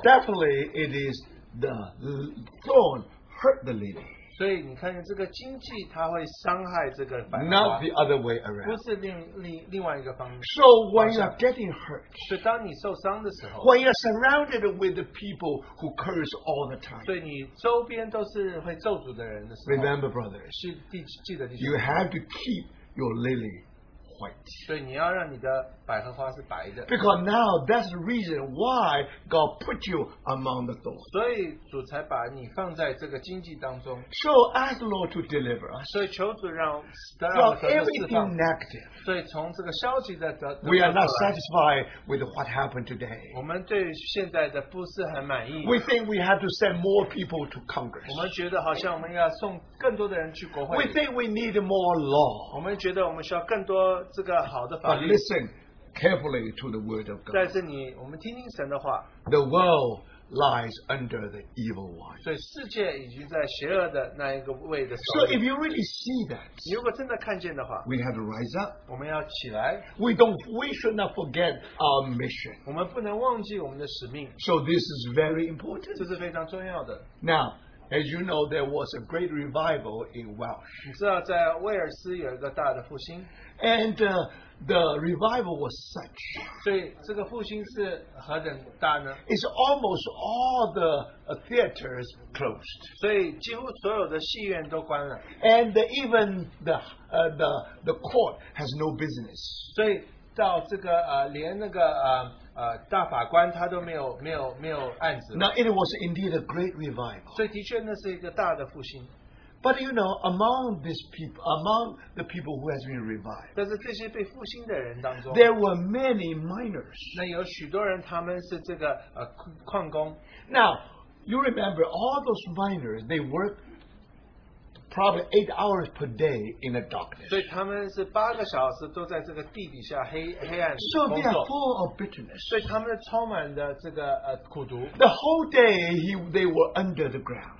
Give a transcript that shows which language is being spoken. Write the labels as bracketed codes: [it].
[en] definitely it is the thorn hurt the lily. [zh] 所以你看见这个荆棘它会伤害这个百合花, [en] not the other way around. [zh] 不是另外一个方面, [en] so when you are getting hurt, [zh] 所以当你受伤的时候, [en] when you are surrounded with the people who curse all the time, [zh] 所以你周边都是会咒诅的人的时候, [en] remember brothers, [zh] 是记得你说, [en] you have to keep your lily white. [zh] 所以你要让你的百合花是白的, [en] because now that's the reason why God put you among the thorns. [zh] 所以主才把你放在这个荆棘当中, [en] so ask the Lord to deliver us. [zh] 所以求主让, [en] from everything negative. [zh] 所以从这个消极的, [en] we are not satisfied with what happened today. [zh] 我们对现在的不是很满意, [en] we think we have to send more people to Congress. [zh] 我们觉得好像我们要送更多的人去国会, [en] we think we need more law. [zh] 我们觉得我们需要更多, [en] but listen carefully to the word of God. [zh] 但是你, [en] the world lies under the evil one. [zh] 所以世界已经在邪恶的那一个位的, [en] so if you really see that, [zh] 你如果真的看见的话, [en] we have to rise up. [zh] 我们要起来, [en] we should not forget our mission. [zh] 我们不能忘记我们的使命, [en] so this is very important. [zh] 这是非常重要的. [en] Now, as you know, there was a great revival in Welsh. [zh] 你知道在威尔斯有一个大的复兴, [en] and the revival was such. [zh] 所以这个复兴是何等大呢? [en] It's almost all the theaters closed. [zh] 所以几乎所有的戏院都关了. [en] And even the court has no business. [zh] 所以到这个, 连那个, 大法官他都没有案子。 [en] Now it was indeed a great revival. [zh] 所以的确那是一个大的复兴。 [en] But you know, among these people, among the people who has been revived, [zh] 但是这些被复兴的人当中, [en] there were many miners. [zh] 那有许多人他们是这个, 矿工。 [en] Now, you remember all those miners, they worked probably 8 hours per day in the darkness. [zh] 所以他们是八个小时都在这个地底下黑暗工作。 [en] So they are full of bitterness. [zh] 所以他们充满的这个, 苦毒。 [en] The whole day they were under the ground.